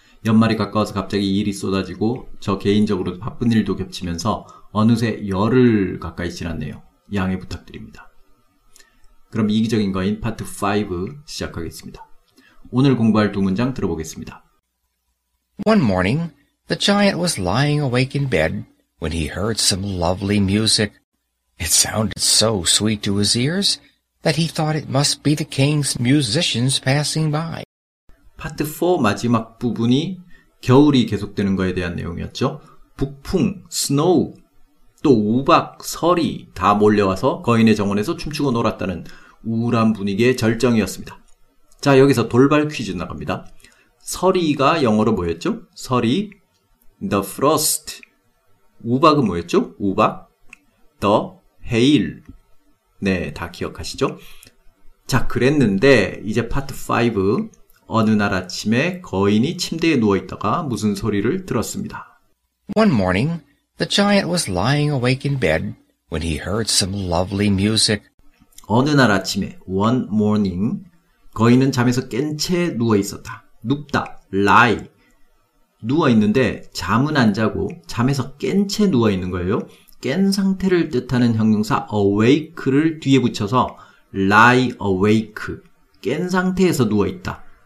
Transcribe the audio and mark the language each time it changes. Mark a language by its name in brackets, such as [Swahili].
[Korean] 연말이 가까워서 갑자기 일이 쏟아지고 저 개인적으로 바쁜 일도 겹치면서 어느새 열흘 가까이 지났네요. 양해 부탁드립니다. 그럼 이기적인 거인 파트 5 시작하겠습니다. 오늘 공부할 두 문장 들어보겠습니다. [English] One morning, the giant was lying awake in bed when he heard some lovely music. It sounded so sweet to his ears that he thought it must be the king's musicians passing by. [Korean] 파트 4 마지막 부분이 겨울이 계속되는 거에 대한 내용이었죠. 북풍, snow, 또 우박, 서리 다 몰려와서 거인의 정원에서 춤추고 놀았다는 우울한 분위기의 절정이었습니다. 자, 여기서 돌발 퀴즈 나갑니다. 서리가 영어로 뭐였죠? [English] 서리, the frost. [Korean] 우박은 뭐였죠? 우박, [English] the hail. [Korean] 네, 다 기억하시죠? 자, 그랬는데 이제 파트 5. 어느 날 아침에 거인이 침대에 누워있다가 무슨 소리를 들었습니다. [English] One morning, the giant was lying awake in bed when he heard some lovely music. [Korean] 어느 날 아침에, [English] one morning, [Korean] 거인은 잠에서 깬 채 누워있었다. 눕다, lie. 누워있는데 잠은 안 자고 잠에서 깬 채 누워있는 거예요. 깬 상태를 뜻하는 형용사 awake를 뒤에 붙여서 [English] lie awake, [Korean] 깬 상태에서 누워있다.